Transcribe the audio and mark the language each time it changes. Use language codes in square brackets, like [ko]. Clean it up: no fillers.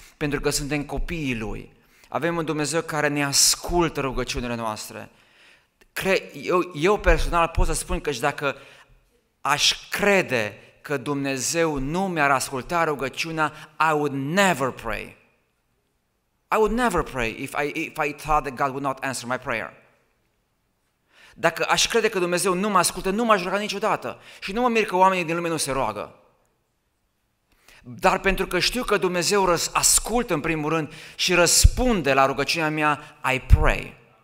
[ro] pentru că suntem copiii Lui. Avem un Dumnezeu care ne ascultă rugăciunile noastre. Eu personal pot să spun că și dacă aș crede că Dumnezeu nu mi-ar asculta rugăciunea, [en] I would never pray. I would never pray if I thought that God would not answer my prayer. [ro] Dacă aș crede că Dumnezeu nu mă ascultă, nu m-aș ruga niciodată. Și nu mă mir că oamenii din lume nu se roagă. Dar pentru că știu că Dumnezeu ascultă în primul rând și răspunde la rugăciunea mea, [en] I pray.